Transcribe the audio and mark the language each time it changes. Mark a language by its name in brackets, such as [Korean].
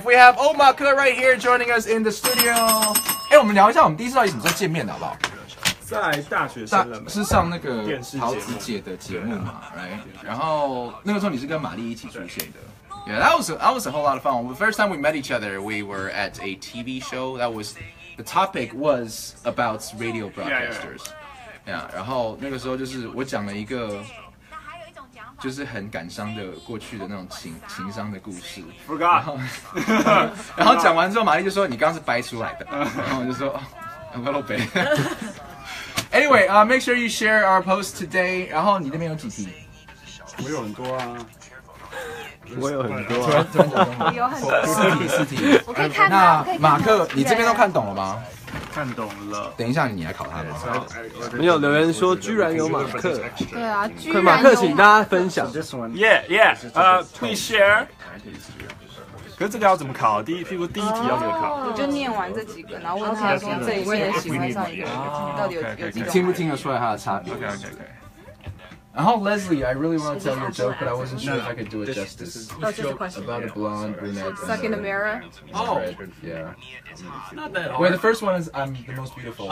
[English] We have 欧马克 right here joining us in the studio. [Chinese] 我们聊一下我们第一次到底怎么在见面的好不好？在大学生了，是上那个桃子姐的节目嘛，right？然后那个时候你是跟玛丽一起出现的。 [English] Yeah, that was a whole lot of fun. The first time we met each other, we were at a TV show. That was the topic was about radio broadcasters. [Chinese] Yeah, 然后那个时候就是我讲了一个就是很感伤的过去的那种情伤的故事。 [English] Forgot. [Chinese] 然后讲完之后玛丽就说你刚刚是掰出来的。然后我就说、 [English] oh, a little bit. Anyway,、make sure you share our post today. [Chinese] 然后你那边有几题？我有很多啊。我有很多啊。有很多。四题。我可以看那马克你这边都看懂了吗？看懂了，等一下你来考他吗？没有留言说居然有马克，对啊，快马克，请大家分享。 [English] Yeah, please share。 [Chinese] 可是这个要怎么考？第一题要怎么考？我就念完这几个，然后问他说这一位的喜欢上一个，到底有你听不听得出来他的差别 [English] ？OK。然后 Leslie, I really want to tell your joke, but I wasn't sure if I could do it justice. That's just a question. About a blonde brunette. Stuck in a mirror. Oh. Yeah. Not that hard. Wait, the first one is I'm the most beautiful.